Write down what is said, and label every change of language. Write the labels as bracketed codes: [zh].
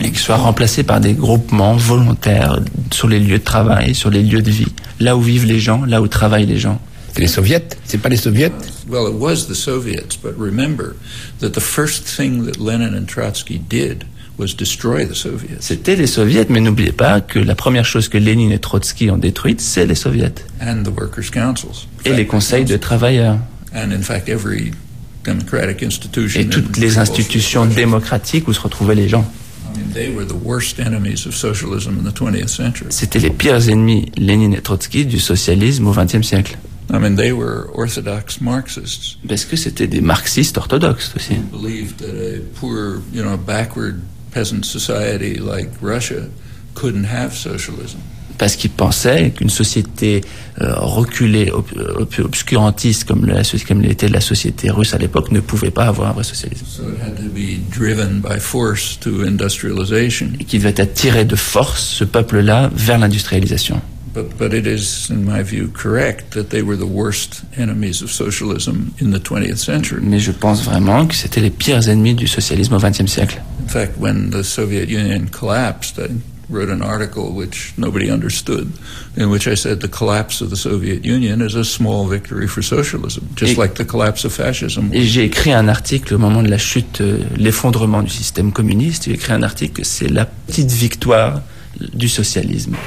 [fr] Et qu'il soit remplacé par des groupements volontaires sur les lieux de travail, sur les lieux de vie, là où vivent les gens, là où travaillent les gens. Les Soviets, c'est pas les Soviets. [en] Well, it was the Soviets, but remember that the first thing that Lenin and Trotsky did was destroy the Soviets. [fr] C'était les Soviets, mais n'oubliez pas que la première chose que Lénine et Trotsky ont détruite, c'est les Soviets. [en] And the workers' councils. [fr] Et les conseils de travailleurs. [en] And in fact, every democratic institution. [fr] Et toutes les institutions démocratiques où se retrouvaient les gens. [en] They were the worst enemies of socialism in the 20th century. [fr] C'était les pires ennemis, Lénine et Trotsky, du socialisme au XXe siècle. [en] I mean, they were orthodox Marxists. [fr] Parce que c'était des marxistes orthodoxes aussi. [en] They believed that a poor, you know, backward peasant society like Russia couldn't have socialism. [fr] Parce qu'ils pensaient qu'une société reculée, obscurantiste comme l'était la société russe à l'époque ne pouvait pas avoir un vrai socialisme. [en] So it had to be driven by force to industrialization. [fr] Et qu'il devait être tiré de force, ce peuple-là, vers l'industrialisation. [en] But it is, in my view, correct that they were the worst enemies of socialism in the 20th century. [fr] Mais je pense vraiment que c'était les pires ennemis du socialisme au XXe siècle. [en] In fact, when the Soviet Union collapsed, I wrote an article which nobody understood, in which I said the collapse of the Soviet Union is a small victory for socialism, just like the collapse of fascism. [fr] Et j'ai écrit un article au moment de la chute, l'effondrement du système communiste. J'ai écrit un article que c'est la petite victoire du socialisme.